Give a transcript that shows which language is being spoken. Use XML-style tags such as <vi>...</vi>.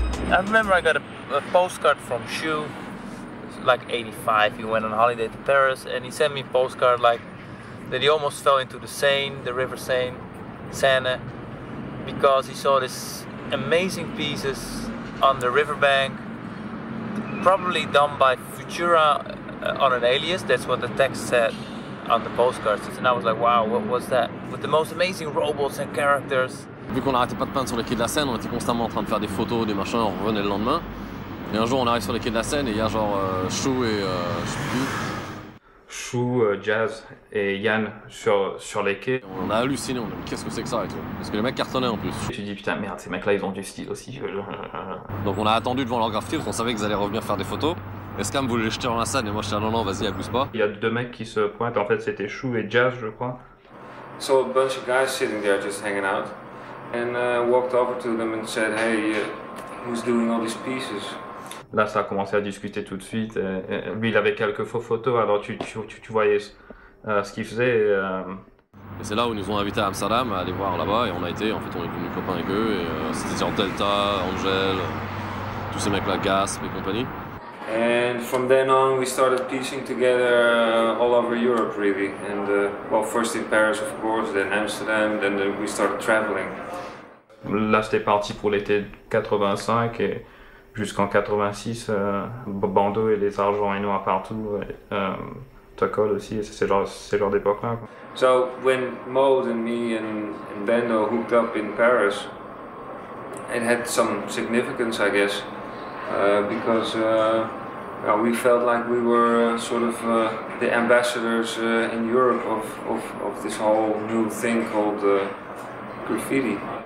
<en>I remember I got a postcard from Shu, like 85, he went on holiday to Paris and he sent me a postcard like that he almost fell into the Seine, the River Seine, Seine, because he saw this amazing pieces on the riverbank, probably done by Futura on an alias, that's what the text said on the postcard. And I was like, wow, what was that? With the most amazing robots and characters.</en> <fr>Vu qu'on n'arrêtait pas de peindre sur les quais de la Seine, on était constamment en train de faire des photos, des machins, on revenait le lendemain. Et un jour, on arrive sur les quais de la Seine et il y a genre Chou et je sais plus. Chou, Jazz et Yann sur les quais. On a halluciné, on a dit qu'est-ce que c'est que ça et tout. Parce que les mecs cartonnaient en plus. Tu dis putain merde, ces mecs là ils ont du style aussi. Donc on a attendu devant leur graffiti parce qu'on savait qu'ils allaient revenir faire des photos. Et Scam voulait les jeter dans la scène et moi j'étais non, vas-y, abuse pas. Il y a deux mecs qui se pointent, en fait c'était Chou et Jazz je crois.</fr> <en>So a bunch of guys sitting there just hanging out. And walked over to them and said, hey, who's doing all these pieces?</en> <fr>Là, ça a commencé à discuter tout de suite. Et lui, il avait quelques faux photos, alors tu voyais ce qu'il faisait. Et c'est là où ils nous ont invités à Amsterdam, à aller voir là-bas. Et on a été, en fait, on est devenus copains avec eux. Et c'était genre Delta, Angel, tous ces mecs-là, Gasp et compagnie.</fr> <en>And from then on, we started piecing together all over Europe, really. And well, first in Paris, of course, then Amsterdam, then we started traveling.</en> <fr>Là, c'était parti pour l'été 85 et jusqu'en 86, Bandeau et les Argents et Noirs partout, Tocol aussi, c'est genre d'époque-là. Quoi.</fr> <en>So, when Mode and me and Bando hooked up in Paris, it had some significance, I guess, because we felt like we were sort of the ambassadors in Europe of this whole new thing called graffiti.</en>